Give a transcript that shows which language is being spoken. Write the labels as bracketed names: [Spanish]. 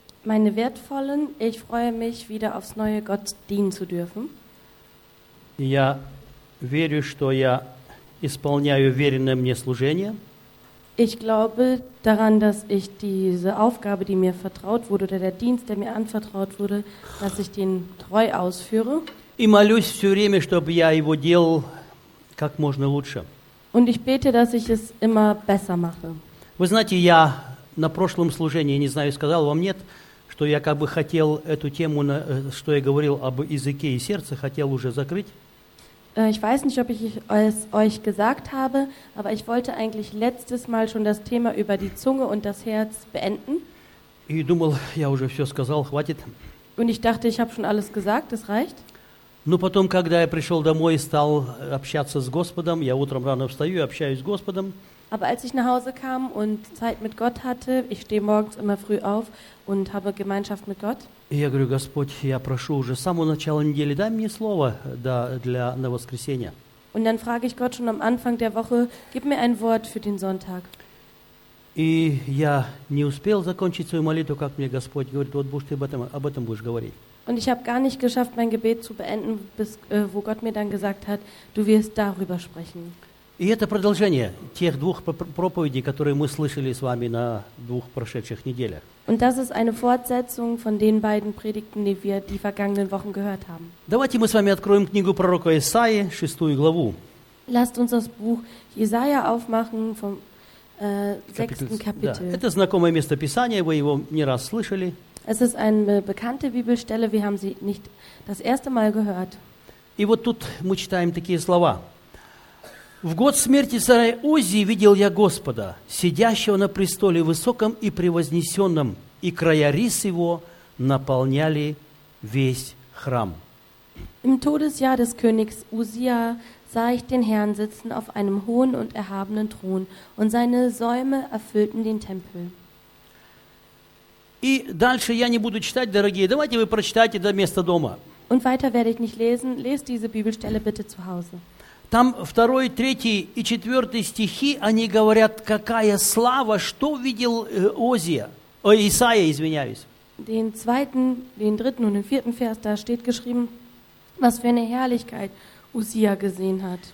[German] Meine Wertvollen, ich freue mich, wieder aufs Neue Gott dienen zu dürfen. [Russian] Я верю, что я исполняю веренное мне служение. [German] Ich glaube daran, dass ich diese Aufgabe, die mir vertraut wurde, oder der Dienst, der mir anvertraut wurde, dass ich den treu ausführe. [Russian] И молюсь все время, чтобы я его делал как можно лучше. [German] Und ich bete, dass ich es immer besser mache. [Russian] Вы знаете, я на прошлом служении, не знаю, сказал вам нет, что я как бы хотел эту тему, что я говорил об языке и сердце, хотел уже закрыть. [German] Ich weiß nicht, ob ich es euch gesagt habe, aber ich wollte eigentlich letztes Mal schon das Thema über die Zunge und das Herz beenden. [Russian] И думал, я уже все сказал, хватит. [German] Und ich dachte, ich habe schon alles gesagt, das reicht. [Russian] Но потом, когда я пришел домой и стал общаться с Господом, я утром рано встаю и общаюсь с Господом. [German] Aber als ich nach Hause kam und Zeit mit Gott hatte, ich stehe morgens immer früh auf und habe Gemeinschaft mit Gott. [Russian] Я говорю, Господь, я прошу уже с самого начала недели, дай мне слово для на воскресенье. [German] Und dann frage ich Gott schon am Anfang der Woche, gib mir ein Wort für den Sonntag. [Russian] И я не успел закончить свою молитву, как мне Господь говорит, вот будешь ты об этом будешь говорить. [German] Und ich habe gar nicht geschafft, mein Gebet zu beenden, bis wo Gott mir dann gesagt hat, du wirst darüber sprechen. [Russian] И это продолжение тех двух проповедей, которые мы слышали с вами на двух прошедших неделях. [German] Und das ist eine Fortsetzung von den beiden Predigten, die wir die vergangenen Wochen gehört haben. [Russian] Давайте мы с вами откроем книгу пророка Исаии, 6 главу. [German] Lasst uns das Buch Jesaja aufmachen vom 6. Kapitel. [Russian] Да. Это знакомое место Писания, вы его не раз слышали. [German] Es ist eine bekannte Bibelstelle, wir haben sie nicht das erste Mal gehört. [Russian] И вот тут мы читаем такие слова. «В год смерти царя Узии видел я Господа, сидящего на престоле высоком и превознесенном, и края рис его наполняли весь храм». [German] Im Todesjahr des Königs Usia sah ich den Herrn sitzen auf einem hohen und erhabenen Thron, und seine Säume erfüllten den Tempel. [Russian] И дальше я не буду читать, дорогие, давайте вы прочитайте до места дома. [German] Und weiter werde ich nicht lesen, lest diese Bibelstelle bitte zu Hause. [Russian] Там 2, 3 и 4 стихи, они говорят, какая слава, что видел Исаия, извиняюсь. [German] Den 2., den 3. und den 4. Vers, da steht geschrieben, was für eine Herrlichkeit Usia gesehen hat.